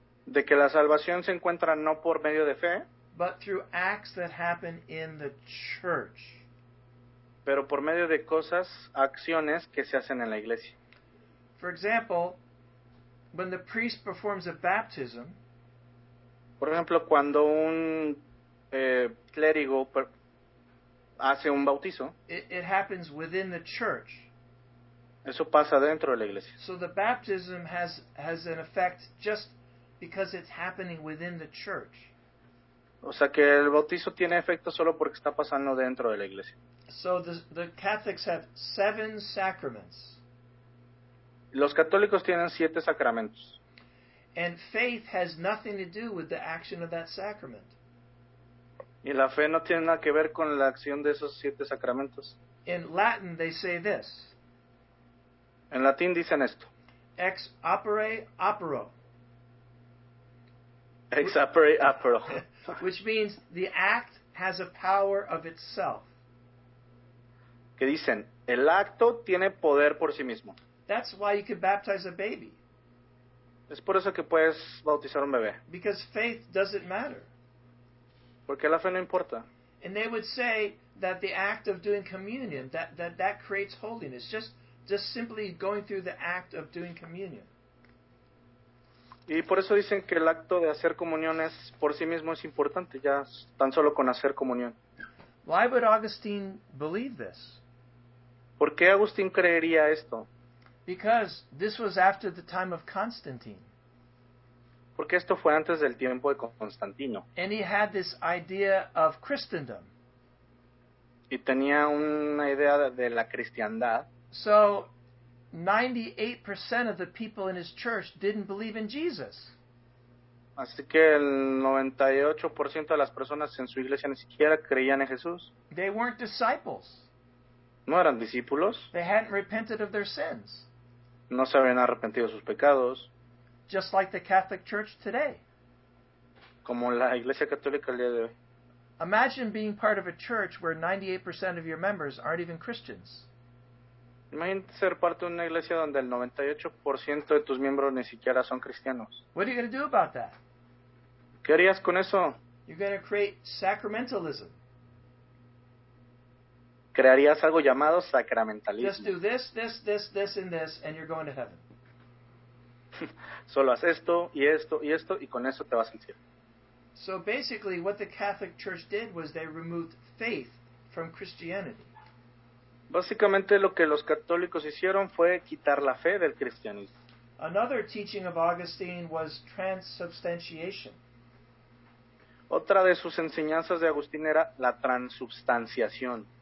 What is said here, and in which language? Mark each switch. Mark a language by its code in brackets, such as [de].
[es] De que la salvación se encuentra no por medio de fe. [en] But through acts that happen in the church. [es] Pero por medio de cosas, acciones que se hacen en la iglesia. [en] For example, when the priest performs a baptism. [es] Por ejemplo, cuando un clérigo hace un bautizo. [en] It happens within the church. [es] Eso pasa dentro de la iglesia. [en] So the baptism has an effect just because it's happening within the church. [es] O sea que el bautizo tiene efecto solo porque está pasando dentro de la iglesia. [en] So the Catholics have 7 sacraments. [es] Los católicos tienen 7 sacramentos. [en] And faith has nothing to do with the action of that sacrament. [es] Y la fe no tiene nada que ver con la acción de esos 7 sacramentos. [en] In Latin they say this. [es] En latín dicen esto. [la] Ex opere opero. Ex opere opero. [en] Which means the act has a power of itself. [es] Que dicen, el acto tiene poder por sí mismo. [en] That's why you can baptize a baby. [es] Es por eso que puedes bautizar un bebé. [en] Because faith doesn't matter. [es] Porque la fe no importa. [en] And they would say that the act of doing communion, that creates holiness. Just simply going through the act of doing communion. [es] Y por eso dicen que el acto de hacer comunión es por sí mismo es importante, ya tan solo con hacer comunión. [en] Why would Augustine believe this? [es] ¿Por qué Agustín creería esto? [en] Because this was after the time of Constantine. [es] Porque esto fue antes del tiempo de Constantino. [en] And he had this idea of Christendom. [es] Y tenía una idea de la cristiandad. [en] So 98% of the people in his church didn't believe in Jesus. [es] Así que el 98% de las personas en su iglesia ni siquiera creían en Jesús. [en] They weren't disciples. [es] No eran discípulos. [en] They hadn't repented of their sins. [es] No se habían arrepentido de sus pecados. [en] Just like the Catholic Church today. [es] Como la iglesia católica el día de hoy. [en] Imagine being part of a church where 98% of your members aren't even Christians. [es] Imagínate ser parte de una iglesia donde el 98% de tus miembros ni siquiera son cristianos. [en] What are you going to do about that? [es] ¿Qué harías con eso? [en] You're going to create sacramentalism. [es] Crearías algo llamado sacramentalismo. [en] Just do this, this, this, this, and this, and you're going to heaven. [es] Solo haz esto, y esto, y esto, y con eso te vas al cielo. [en] So basically, what the Catholic Church did was they removed faith from Christianity. [es] Básicamente lo que los católicos hicieron fue quitar la fe del cristianismo. [en] Another teaching of Augustine was transubstantiation. [es] Otra de sus enseñanzas de Agustín era la transubstanciación.